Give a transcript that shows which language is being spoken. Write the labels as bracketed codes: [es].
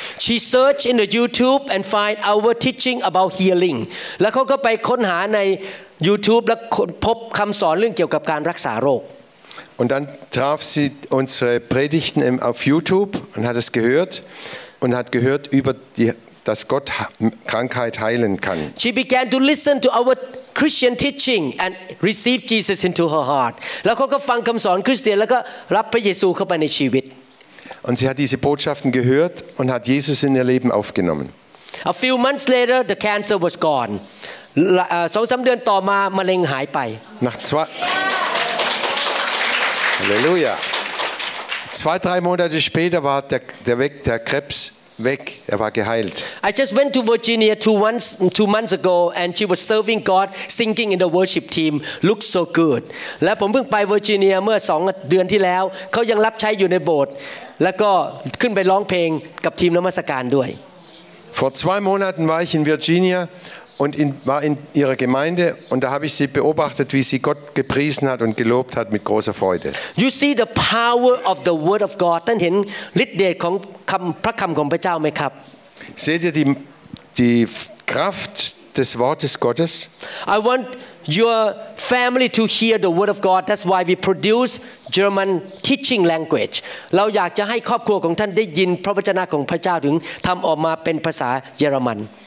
[en] She searched in the YouTube and find our teaching about healing. [th] แล้วเขาก็ไปค้นหาใน YouTube แล้วพบคำสอนเรื่องเกี่ยวกับการรักษาโรค [de] Und dann traf sie unsere Predigten auf YouTube und hat es gehört und hat gehört über dass Gott Krankheit heilen kann. [en] She began to listen to our Christian teaching and receive Jesus into her heart. [th] แล้วเขาก็ฟังคำสอนคริสเตียนแล้วก็รับพระเยซูเข้าไปในชีวิต [de] Und sie hat diese Botschaften gehört und hat Jesus in ihr Leben aufgenommen. [en] A few months later, the cancer was gone. [de] Zwei, drei Monate später, Nach zwei. Halleluja. Zwei, drei Monate später war der Krebs weg. Er war geheilt. [en] I just went to Virginia two months ago, and she was serving God, singing in the worship team, looked so good. [th] และผมเพิ่งไปเวอร์จิเนียเมื่อสองเดือนที่แล้วเขายังรับใช้อยู่ในโบสถ์แล้วก็ขึ้นไปร้องเพลงกับทีมนมัสการด้วย [de] Vor zwei Monaten war ich in Virginia und war in ihrer Gemeinde und da habe ich sie beobachtet, wie sie Gott gepriesen hat und gelobt hat mit großer Freude. [en] You see the power of the word of God. [th] ท่านเห็นฤทธิ์เดชของพระคําของพระเจ้ามั้ยครับ [de] Seht ihr die Kraft des Wortes Gottes? [en] I want your family to hear the word of God. That's why we produceGerman teaching language. [th] เราอยากจะให้ครอบครัวของท่านได้ยินพระวจนะของพระเจ้าถึงทำออกมาเป็นภาษาเยอรมัน